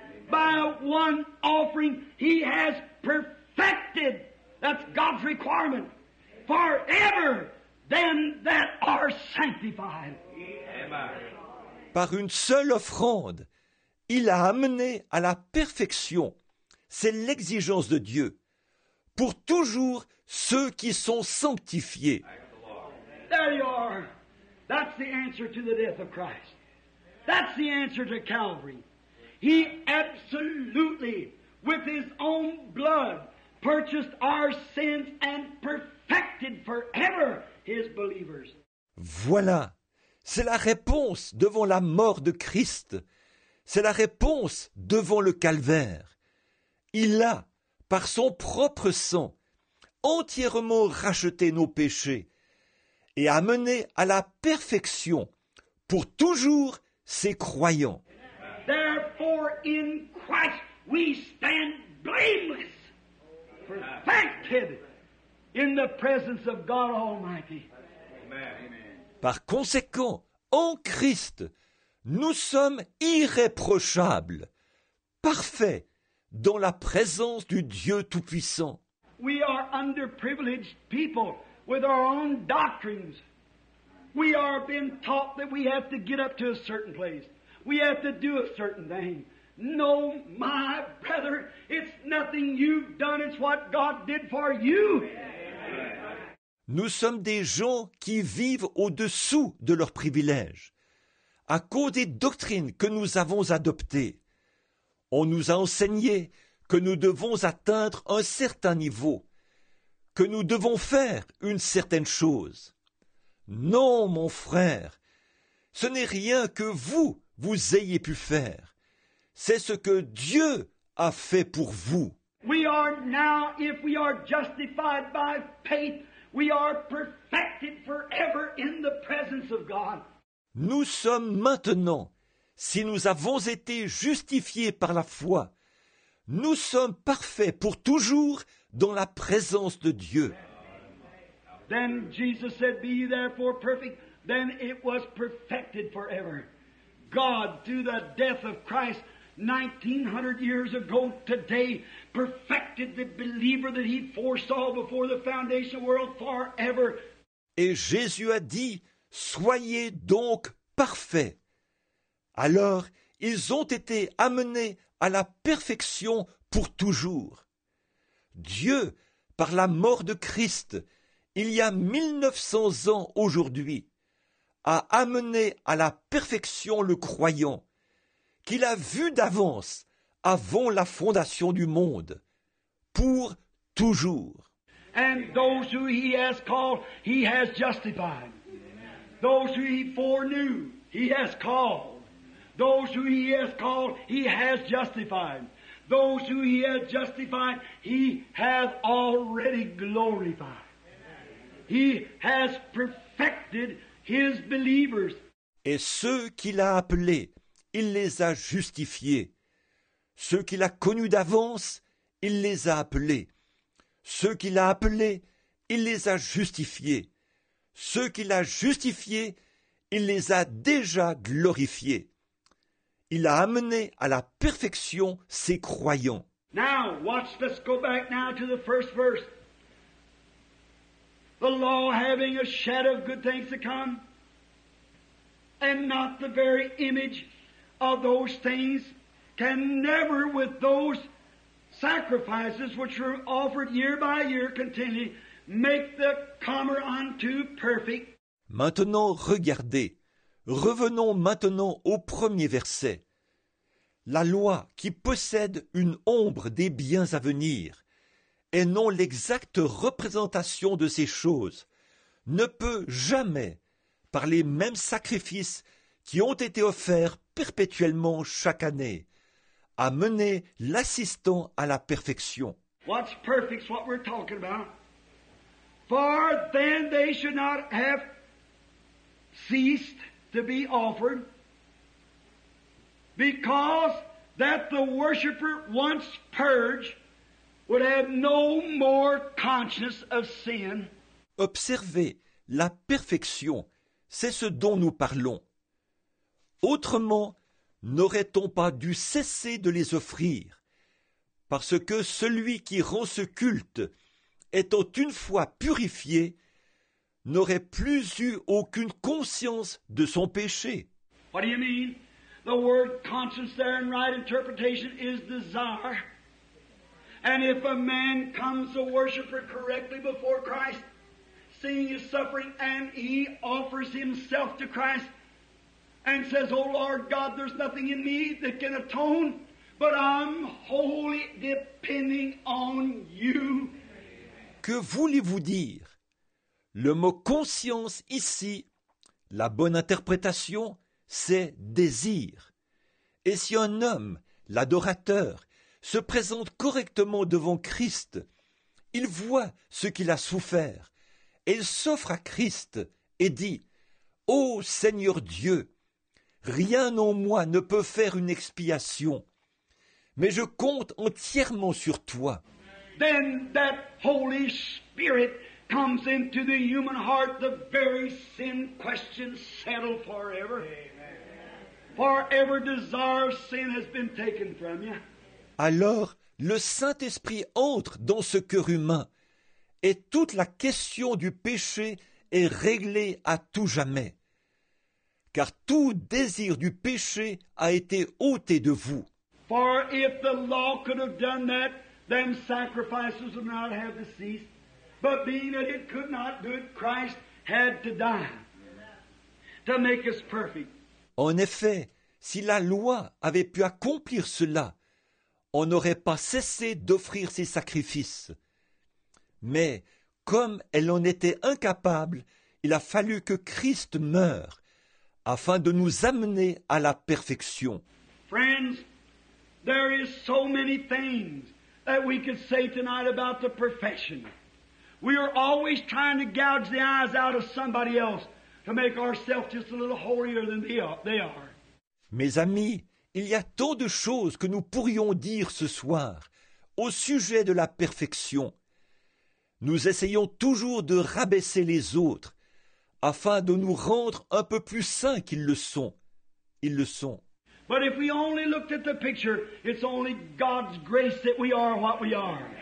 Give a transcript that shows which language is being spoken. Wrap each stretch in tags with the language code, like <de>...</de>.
<en>By one offering, he has perfected, that's God's requirement, forever them that are sanctified. Amen.</en> <fr>Par une seule offrande, il a amené à la perfection, c'est l'exigence de Dieu, pour toujours ceux qui sont sanctifiés.</fr> <en>There you are. That's the answer to the death of Christ. That's the answer to Calvary. He absolutely, with his own blood, purchased our sins and perfected forever his believers.</en> <fr>Voilà, c'est la réponse devant la mort de Christ. C'est la réponse devant le calvaire. Il a, par son propre sang, entièrement racheté nos péchés et amené à la perfection pour toujours ses croyants.</fr> <en>Therefore, in Christ, we stand blameless, perfected in the presence of God Almighty.</en> <fr>Par conséquent, en Christ, nous sommes irréprochables, parfaits dans la présence du Dieu Tout-Puissant.</fr> <en>We are underprivileged people with our own doctrines. We are being taught that we have to get up to a certain place. We have to do a certain thing. No, my brother, it's nothing you've done, it's what God did for you.</en> <fr>Nous sommes des gens qui vivent au-dessous de leurs privilèges, à cause des doctrines que nous avons adoptées. On nous a enseigné que nous devons atteindre un certain niveau, que nous devons faire une certaine chose. Non, mon frère, ce n'est rien que vous, vous ayez pu faire. C'est ce que Dieu a fait pour vous.</fr> <en>We are now, if we are justified by faith, We are perfected forever in the presence of God.</en> <fr>Nous sommes maintenant, si nous avons été justifiés par la foi, nous sommes parfaits pour toujours dans la présence de Dieu.</fr> <en>Then Jesus said, "Be ye therefore perfect." Then it was perfected forever. God, through the death of Christ 1900 years ago today, perfected the believer that he foresaw before the foundation world forever.</en> <fr>Et Jésus a dit, soyez donc parfaits. Alors, ils ont été amenés à la perfection pour toujours. Dieu, par la mort de Christ, il y a 1900 ans aujourd'hui, a amené à la perfection le croyant, qu'il a vu d'avance, avant la fondation du monde, pour toujours.</fr> <en>And those who he has called, he has justified. Those who he foreknew, he has called. Those who he has called, he has justified. Those who he has justified, he has already glorified. He has perfected his believers.</en> <fr>Et ceux qu'il a appelés, il les a justifiés. Ceux qu'il a connus d'avance, il les a appelés. Ceux qu'il a appelés, il les a justifiés. Ceux qu'il a justifiés, il les a déjà glorifiés. Il a amené à la perfection ses croyants.</fr> <en>Now, watch, let's go back now to the first verse. The law having a shadow of good things to come, and not the very image of those things, can never with those sacrifices which were offered year by year continually make the comer unto perfect.</en> <fr>Maintenant regardez, revenons maintenant au premier verset. La loi qui possède une ombre des biens à venir, et non l'exacte représentation de ces choses, ne peut jamais, par les mêmes sacrifices qui ont été offerts perpétuellement chaque année, amener l'assistant à la perfection.</fr> <en>What's perfect, what we're talking about? For then they should not have ceased to be offered, because that the worshipper once purged would have no more conscience of sin.</en> <fr>Observez, la perfection, c'est ce dont nous parlons. Autrement, n'aurait-on pas dû cesser de les offrir, parce que celui qui rend ce culte, étant une fois purifié, n'aurait plus eu aucune conscience de son péché.</fr> <en>What do you mean? The word conscience there in right interpretation is desire. And if a man comes a worshiper correctly before Christ, seeing his suffering, and he offers himself to Christ, and says, "O Lord God, there's nothing in me that can atone, but I'm wholly depending on you."</en> <fr>Que voulez-vous dire? Le mot conscience ici, la bonne interprétation, c'est désir. Et si un homme, l'adorateur, se présente correctement devant Christ, il voit ce qu'il a souffert, et il s'offre à Christ et dit, « Ô Seigneur Dieu, rien en moi ne peut faire une expiation, mais je compte entièrement sur toi. »</fr> <en>Then that Holy Spirit comes into the human heart, the very sin question settled forever. Forever desire of sin has been taken from you.</en> <fr>Alors, le Saint-Esprit entre dans ce cœur humain et toute la question du péché est réglée à tout jamais. Car tout désir du péché a été ôté de vous.</fr> <en>For if the law could have done that, then sacrifices would not have ceased. But being that it could not do it, Christ had to die to make us perfect.</en> <fr>En effet, si la loi avait pu accomplir cela, on n'aurait pas cessé d'offrir ses sacrifices. Mais, comme elle en était incapable, il a fallu que Christ meure, afin de nous amener à la perfection.</fr> <en>Friends, there is so many things that we could say tonight about the perfection. We are always trying to gouge the eyes out of somebody else to make ourselves just a little holier than they are.</en> <fr>Mes amis, il y a tant de choses que nous pourrions dire ce soir au sujet de la perfection. Nous essayons toujours de rabaisser les autres afin de nous rendre un peu plus saints qu'ils le sont. Ils le sont.</fr> <en>But if we only looked at the picture, it's only God's grace that we are what we are.</en>